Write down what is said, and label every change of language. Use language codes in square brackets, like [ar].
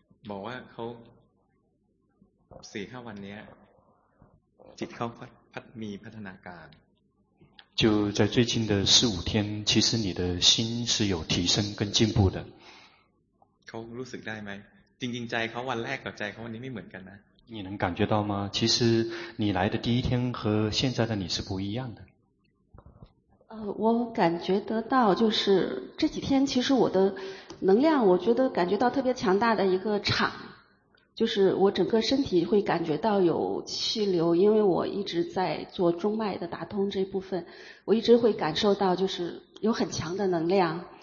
[th] บอกว่าเขาสี่ห้าวันนี้จิตเขาพัฒนามีพัฒนาการ [zh] 就在最近的四五天其实你的心是有提升跟进步的 [th] เขารู้สึกได้ไหมจริงๆใจเขาวันแรกกับใจเขาวันนี้ไม่เหมือนกันนะ [zh] 你能感觉到吗？其实你来的第一天和现在的你是不一样的。我感觉得到，就是这几天其实我的能量，我觉得感觉到特别强大的一个场，就是我整个身体会感觉到有气流，因为我一直在做中脉的打通这部分，我一直会感受到就是有很强的能量。